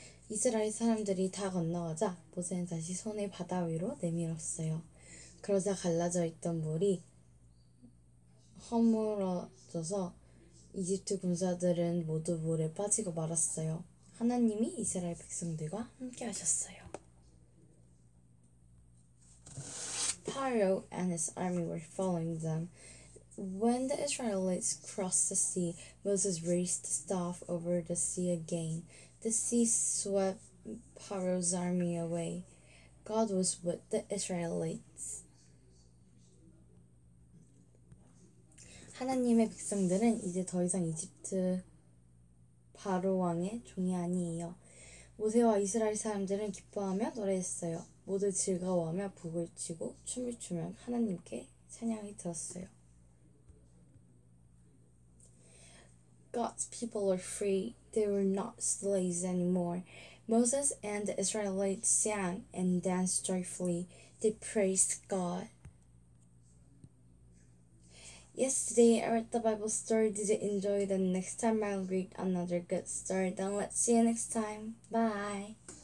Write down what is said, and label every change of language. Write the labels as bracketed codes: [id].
[ko] 이스라엘 사람들이 다 건너가자 모세는 다시 손을 바다 위로 내밀었어요. 그러자 갈라져 있던 물이 허물어져서 이집트 군사들은 모두 물에 빠지고 말았어요. 하나님이 이스라엘 백성들과 함께 하셨어요. [en] Pharaoh and his army were following them. When the Israelites crossed the sea, Moses raised the staff over the sea again. The sea swept Pharaoh's army away. God was with the Israelites. [ko] 하나님의 백성들은 이제 더 이상 이집트 바로 왕의 종이 아니에요. 모세와 이스라엘 사람들은 기뻐하며 노래했어요. 모두 즐거워하며 북을 치고 춤을 추며 하나님께 찬양이 들었어요. [en] God's people are free. They were not slaves anymore. Moses and the Israelites sang and danced joyfully. They praised God. Yesterday, I read the Bible story. Did you enjoy it? The next time I'll read another good story. Then let's see you next time. Bye.